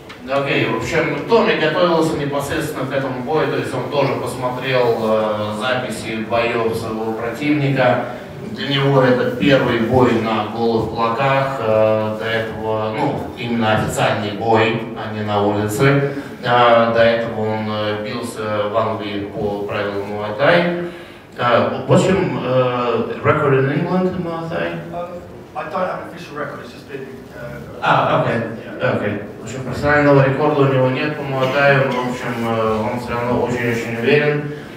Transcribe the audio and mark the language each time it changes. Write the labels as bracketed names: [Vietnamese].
[Russian] Окей, в общем, Томми готовился непосредственно к этому бою, то есть он тоже посмотрел записи боев своего противника. Для него это первый бой на голых кулаках, до этого, ну, именно официальный бой, а не на улице. До этого он бился в Англии по правилам Муай Тай. [English] What's your record in England in Muay Thai? I don't have an official record, it's just been... [Russian] В общем, профессионального рекорда у него нет по Муай Тай, в общем, он все равно очень-очень уверен.